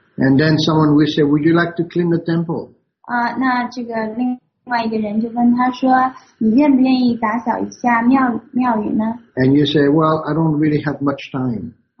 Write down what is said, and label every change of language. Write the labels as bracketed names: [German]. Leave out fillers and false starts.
[English] And then someone will say, would you like to clean the temple? [Chinese] 那这个另外一个人就问他说，你愿不愿意打扫一下庙宇呢? [English] And you say, well, I don't really have much time.